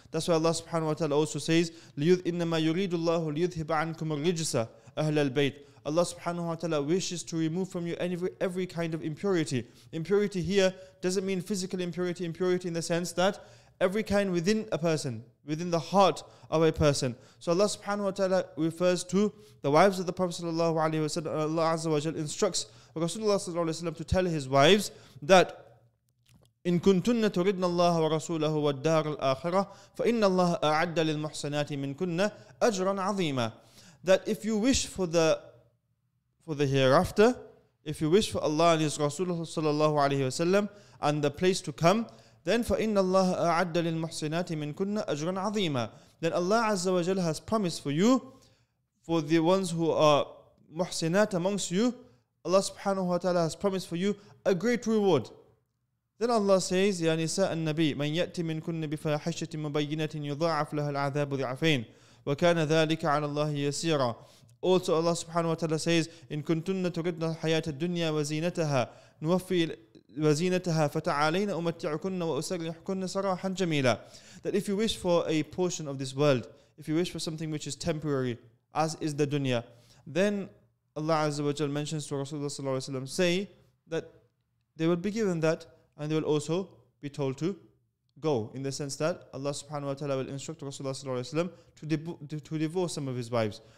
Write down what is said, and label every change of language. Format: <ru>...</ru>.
<en>That's why Allah subhanahu wa ta'ala also says,</en> <ar>إِنَّمَا يُرِيدُ اللَّهُ لِيُذْهِبَ عَنْكُمْ الرِّجْسَ أَهْلَ الْبَيْتِ.</ar> <en>Allah subhanahu wa ta'ala wishes to remove from you every kind of impurity. Impurity here doesn't mean physical impurity, impurity in the sense that every kind within a person, within the heart of a person. So Allah subhanahu wa ta'ala refers to the wives of the Prophet sallallahu alaihi wasallam. Allah azza wa jal instructs Rasulullah sallallahu alaihi wasallam to tell his wives that</en> <ar>إن كنتن تردن الله ورسوله والدار الآخرة فإن الله أعد للمحسنات من كنا أجرا عظيما.</ar> <en>That if you wish for the hereafter, if you wish for Allah and His Rasulullah sallallahu alaihi wasallam and the place to come, then</en> <ar>فإن الله أعد للمحسنات من كنا أجرا عظيما.</ar> <en>Then Allah عز وجل has promised for you, for the ones who are محسنات amongst you, Allah subhanahu wa ta'ala has promised for you a great reward.</en> <ar>Then Allah says, يَا نِسَاءَ النَّبِيِّ مَنْ يَأْتِ مِنْكُنَّ بِفَاحِشَةٍ مُبَيِّنَةٍ يُضَاعَفْ لَهَا الْعَذَابُ ضِعْفَيْنِ وَكَانَ ذَلِكَ عَلَى اللَّهِ يَسِيرًا. Also Allah subhanahu wa ta'ala says, إِنْ كُنْتُنَّ تُرِدْنَ الْحَيَاةَ الدُّنْيَا وَزِينَتَهَا نُوَفِّي وَزِينَتَهَا فَتَعَالَيْنَ أُمَتِّعُكُنَّ وَأُسَرِّحْكُنَّ سَرَاحًا جَمِيلًا.</ar> <en>That if you wish for a portion of this world, if you wish for something which is temporary, as is the dunya, then Allah Azza wa Jal mentions to Rasulullah sallallahu alayhi wa sallam, say that they will be given that, and they will also be told to go, in the sense that Allah subhanahu wa ta'ala will instruct Rasulullah sallallahu alayhi wa sallam to divorce some of his wives.</en>